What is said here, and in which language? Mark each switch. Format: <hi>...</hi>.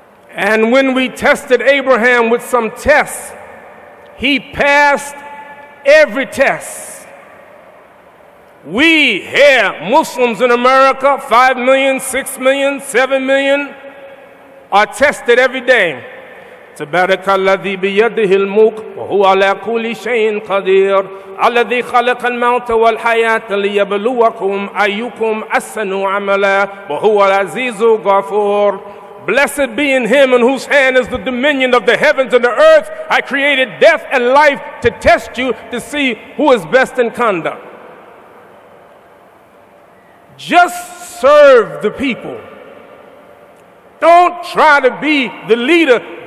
<en>And when we tested Abraham with some tests, he passed every test. We here, Muslims in America, 5 million, 6 million, 7 million, are tested every day.</en> <ar>تبارك الذي بيده الملك وهو على كل شيء قدير الذي خلق الموت والحياة ليبلوكم أيكم أحسن عملا وهو العزيز الغفور.</ar> <en>Blessed be in him in whose hand is the dominion of the heavens and the earth. I created death and life to test you to see who is best in conduct. Just serve the people. Don't try to be the leader.</en>